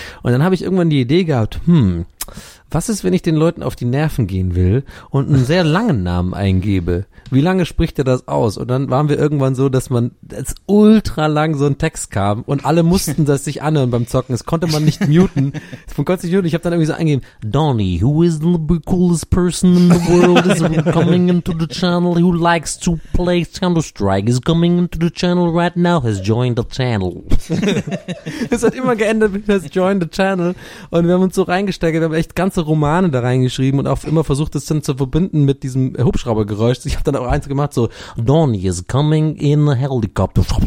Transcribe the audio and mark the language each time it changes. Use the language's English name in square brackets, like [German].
[German] Und dann habe ich irgendwann die Idee gehabt, was ist, wenn ich den Leuten auf die Nerven gehen will und einen sehr langen Namen eingebe? Wie lange spricht er das aus? Und dann waren wir irgendwann so, dass man als ultra lang so ein Text kam und alle mussten das sich anhören beim Zocken. Das konnte man nicht muten. Von Gott sei Dank, ich habe dann irgendwie so eingegeben, [English] Donny, who is the coolest person in the world, is coming into the channel, who likes to play Counter-Strike, is coming into the channel right now, has joined the channel. [German] Es hat immer geändert mit [English] has joined the channel [German] und wir haben uns so reingesteckt, wir haben echt ganze Romane da reingeschrieben und auch immer versucht, das dann zu verbinden mit diesem Hubschraubergeräusch. Ich habe dann auch eins gemacht, so [English] Donny is coming in a helicopter.